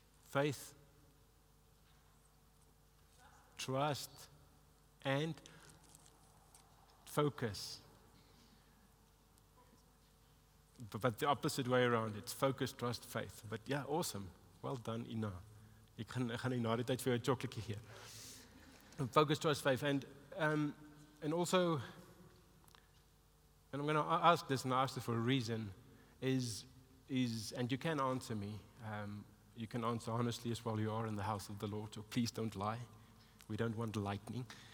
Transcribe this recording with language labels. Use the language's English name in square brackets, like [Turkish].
[English] Faith, trust, and focus. But the opposite way around. It's focus, trust, faith. But yeah, awesome. Well done, Ina. [Afrikaans] Ek gaan Ina die tyd vir jou 'n chocolate gee. [English] Focus, trust, faith. And also, I'm going to ask this, and I ask it for a reason, and you can answer me. You can answer honestly as well. You are in the house of the Lord, so please don't lie. We don't want lightning.